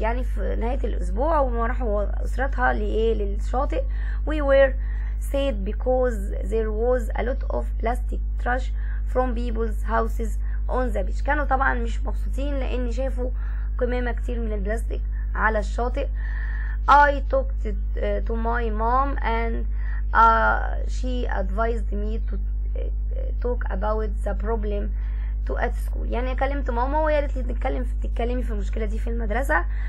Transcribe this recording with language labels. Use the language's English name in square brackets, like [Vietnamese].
[Arabic] يعني في نهاية الأسبوع وما راحوا أسرتها للشاطئ. [English] We were sad because there was a lot of plastic trash from people's houses on the beach. [Arabic] كانوا طبعا مش مبسوطين لان شافوا كمامة كتير من البلاستيك على الشاطئ. [English] I talked to my mom and she advised me to talk about the problem to at school. [Arabic] يعني كلمت ماما وهي قالت لي تتكلمي في المشكلة دي في المدرسة.